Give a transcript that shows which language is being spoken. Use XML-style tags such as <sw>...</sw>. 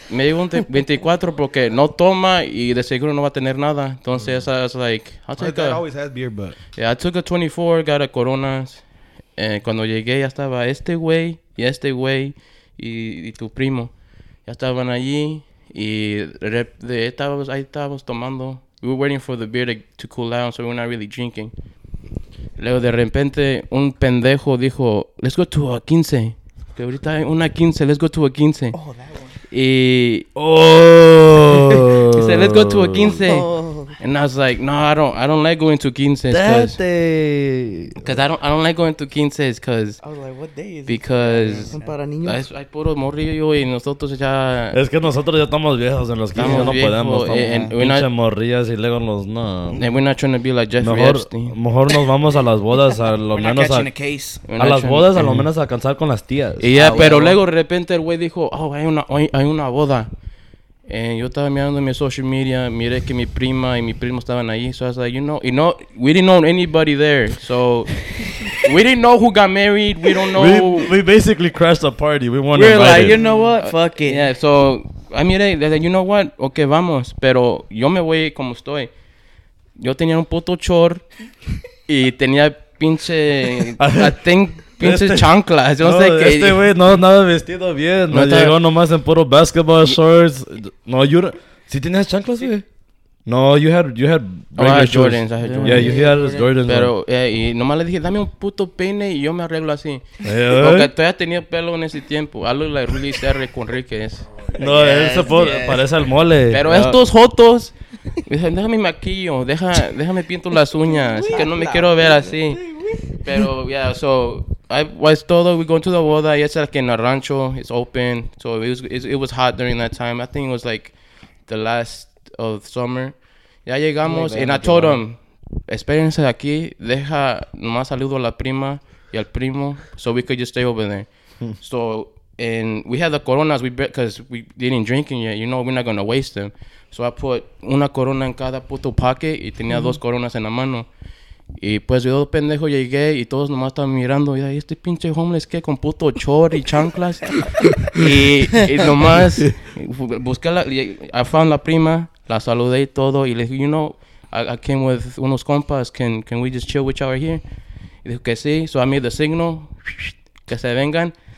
<es>Me dijo 24, porque no toma y de seguro no va a tener nada. Entonces,</es> <en>I was like, I'll take that always has beer, but... Yeah, I took a 24, got a Coronas.</en> <es>Cuando llegué, ya estaba este güey y este güey. Y tu primo ya estaban allí y estábamos tomando.</es> <en>We were waiting for the beer to cool down, so we're not really drinking.</en> <es>Luego de repente un pendejo dijo,</es> <en>let's go to a 15,</en> <es>que ahorita hay una 15, let's go to a 15.</es> <en>He said, let's go to a 15. And I was like, no, I don't like going to 15. Because I don't like going to 15. I was like, what day is it? Because...</en> <es>¿Son para niños? Hay puro morrillo y nosotros ya... Es que nosotros ya estamos viejos en los 15. Estamos viejos. No podemos. Pinche morrillas y luego nos... No.</es> <en>And we're not trying to be like Jeffrey Epstein.</en> <es>Mejor nos vamos a las bodas a lo menos... A lo menos a alcanzar con las tías. Y ya, pero luego de repente el güey dijo, oh, hay una boda. Yo estaba mirando mi social media, miré que mi prima y mi primo estaban ahí.</es> <en>So I was like, we didn't know anybody there. So we didn't know who got married. We don't know. We basically crashed a party. We weren't invited. We're like, you know what? Fuck it. Yeah, so I</en> <es>miré,</es> <en>like, you know what?</en> <es>Okay, vamos. Pero yo me voy como estoy. Yo tenía un puto chor y tenía pinche,</es> <en>I think...</en> <es>Pinches chanclas, no sé qué. Este güey no andaba vestido bien. No llegó nomás en puro</es> <en>basketball shorts.</en> <es>No, ¿sí tenías chanclas, güey?</es> <en>No, you had regular Jordans. Yeah, you had Jordans.</en> <es>Pero, y nomás le dije, dame un puto peine y yo me arreglo así. Porque todavía tenía pelo en ese tiempo. Algo</es> <en>like</en> <es>Rudy Serre con Ríquez. No, él se parece al mole. Pero estos jotos, dicen, déjame maquillo, déjame pinto las uñas. Que no me quiero ver así. Pero,</es> <en>yeah, so, I was told that we going to the boda. It's like in a rancho. It's open. So, it was hot during that time. I think it was like the last of summer.</en> <es>Ya llegamos.</es> <en>Oh, and I told him,</en> <es>espérense aquí. Deja, nomás saludo a la prima y al primo.</es> <en>So, we could just stay over there. So, and we had the coronas because we didn't drink yet. You know, we're not going to waste them. So, I put</en> <es>una corona en cada puto</es> <en>pocket.</en> <es>Y tenía dos coronas en la mano. Y pues yo, pendejo, llegué y todos nomás estaban mirando. Y este pinche homeless, ¿qué? Con puto chor y chanclas. Y nomás busqué</es> <en>I found</en> <es>la prima, la saludé y todo. Y le dije,</es> <en>you know, I came with</en> <es>unos compas.</es> <en>Can we just chill with y'all here?</en> <es>Y dijo que sí.</es> <en>So I made the signal.</en> <es>Que se vengan.</es>